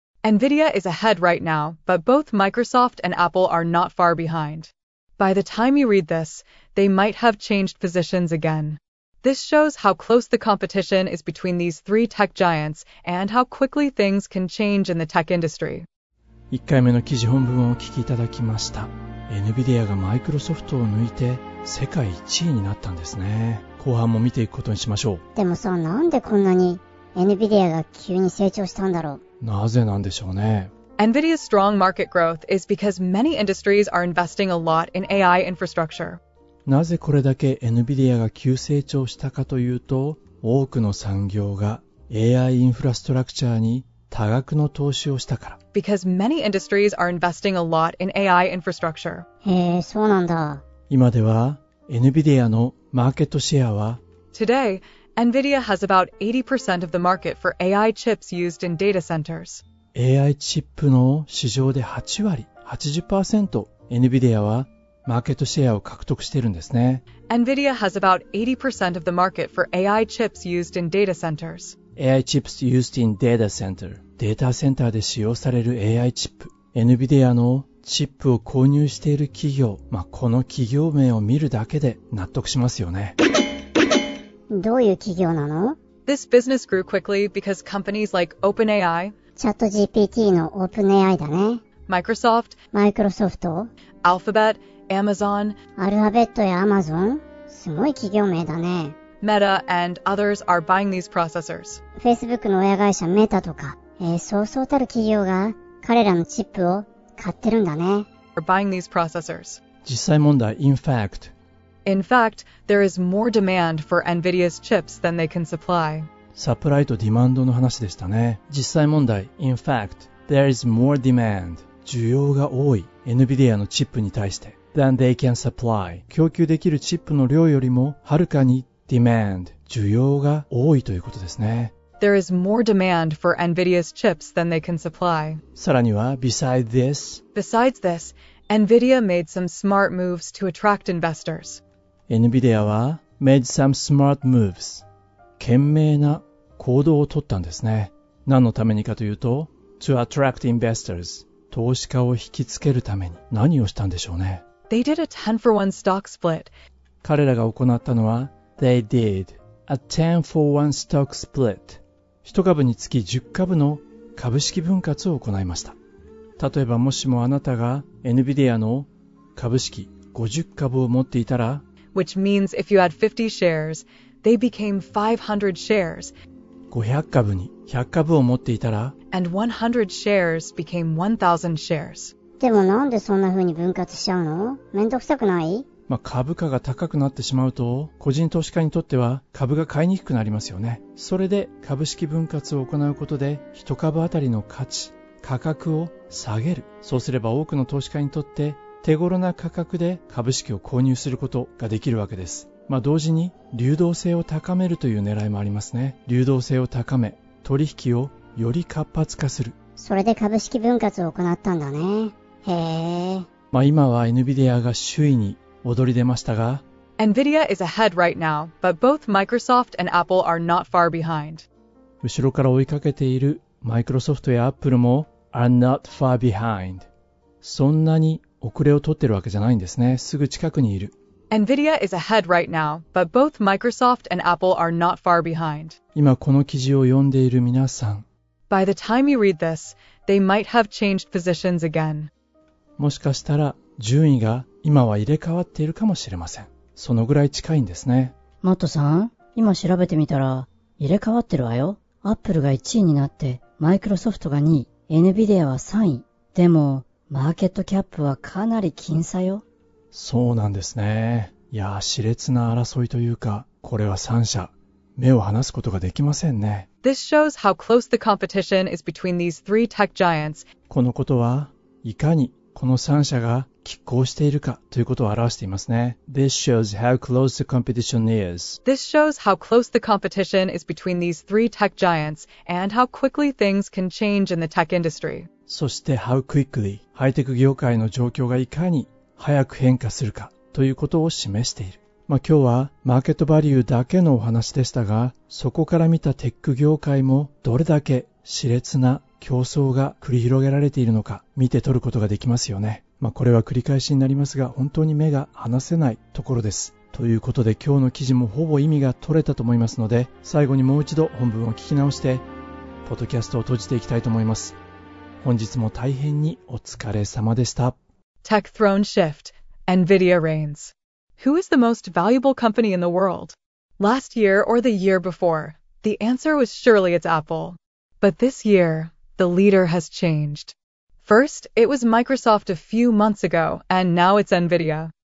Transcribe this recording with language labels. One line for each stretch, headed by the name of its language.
English: NVIDIA is ahead right now, but both Microsoft and Apple are not far behind. By the time you read this, they might have changed positions again. This shows how close the competition is between these three tech giants and how quickly things can change in the tech industry.
Japanese: 1回目の記事本文をお聞きいただきました。NVIDIA がマイクロソフトを抜いて世界1位になったんですね。後半も見ていくことにしましょう。でもさ、なんでこんなに NVIDIA が急に成長したんだろう。なぜなんでしょうね。
English: NVIDIA's strong market growth is because many industries are investing a lot in AI infrastructure.
Japanese: なぜこれだけ NVIDIA が急成長したかというと、多くの産業が AI インフラストラクチャーに多額の投資をしたから。
English: Because many industries are investing a lot in AI infrastructure.
Japanese: へえ、そうなんだ。今では NVIDIA のマーケットシェアは
English: Today, NVIDIA has about 80% of the market for AI chips used in data centers.
Japanese: AI チップの市場で80% NVIDIA はマーケットシェアを獲得しているんですね。
English: NVIDIA has about 80% of the market for AI chips used in data centers. AI chips used in data center.
Japanese: データセンターで使用される AI チップ。NVIDIA のチップを購入している企業、まあ、この企業名を見るだけで納得しますよね。どういう企業なの?
English: This business grew quickly because companies like OpenAI,
Japanese: ChatGPT の OpenAI だね。
English: Microsoft, Microsoft, Alphabet,Amazon,
Japanese: アルファベットやアマゾン、すごい企業名だね。
English: Meta and others are buying these processors.
Japanese: Facebook の親会社メタとか、そうそうたる企業が彼らのチップを買ってるんだね。
English: Are buying these processors.
Japanese: 実際問題、
English: In fact, there is more demand for NVIDIA's chips than they can supply.
Japanese: サプライとディマンドの話でしたね。実際問題、
English: In fact, there is more demand.
Japanese: 需要が多い NVIDIA のチップに対して。
English: Than they can supply.
Japanese: 供給できるチップの量よりもはるかに demand 需要が多いということですね。
English: There is more demand for NVIDIA's chips than they can supply.
Japanese: さらには
English: beside this. Besides this, NVIDIA made some smart moves to attract investors. NVIDIA は made some smart moves.
Japanese: 賢明な行動を取ったんですね。何のためにかというと
English: to attract investors.
Japanese: 投資家を引きつけるために何をしたんでしょうね。
English: They did a 10-for-1 stock split.
Japanese: 彼らが行ったのは
English: They did a 10-for-1 stock split.
Japanese: 一株につき10株の株式分割を行いました。例えばもしもあなたが NVIDIA の株式50株を持っていたら
English: Which means if you had 50 shares, they became 500 shares.
Japanese: 500株に100株を持っていたら
English: And 100 shares became 1,000 shares.
Japanese: でもなんでそんな風に分割しちゃうの? めんどくさくない? まあ株価が高くなってしまうと個人投資家にとっては株が買いにくくなりますよね。それで株式分割を行うことで一株あたりの価値、価格を下げる。そうすれば多くの投資家にとって手頃な価格で株式を購入することができるわけです。まあ同時に流動性を高めるという狙いもありますね。流動性を高め、取引をより活発化する。それで株式分割を行ったんだね。へえ。まあ今は NVIDIA が首位に躍り出ましたが
English: NVIDIA is ahead right now, but both Microsoft and Apple are not far behind.
Japanese: 後ろから追いかけている Microsoft や Apple も
English: are not far behind.
Japanese: そんなに遅れを取ってるわけじゃないんですね。すぐ近くにいる。
English: NVIDIA is ahead right now, but both Microsoft and Apple are not far behind.
Japanese: 今この記事を読んでいる皆さん
English: By the time you read this, they might have changed positions again.
Japanese: もしかしたら順位が今は入れ替わっているかもしれません。そのぐらい近いんですね。マットさん、今調べてみたら入れ替わってるわよ。 Apple が1位になって、Microsoft が2位、NVIDIA は3位。でも、マーケットキャップはかなり僅差よ。そうなんですね。いや、熾烈な争いというか、これは3社。目を離すことができませんね。
English: This shows how close the competition is between these three tech giants.
Japanese: このことは、いかにこの三社が拮抗しているかということを表していますね。
English: This shows how close the competition is. This shows how close the competition is between these three tech giants and how quickly things can change in the tech industry.
Japanese: そして
English: how quickly
Japanese: ハイテク業界の状況がいかに早く変化するかということを示している。まあ、今日はマーケットバリューだけのお話でしたが、そこから見たテック業界もどれだけ熾烈な競争が繰り広げられているのか見て取ることができますよね。まあ、これは繰り返しになりますが、本当に目が離せないところです。ということで今日の記事もほぼ意味が取れたと思いますので、最後にもう一度本文を聞き直して、ポッドキャストを閉じていきたいと思います。本日も大変にお疲れ様でした。
English: Tech throne shift, NVIDIA reigns. Who is the most valuable company in the world? Last year or the year before, the answer was surely it's Apple. But this year, the leader has changed. First, it was Microsoft a few months ago, and now it's NVIDIA.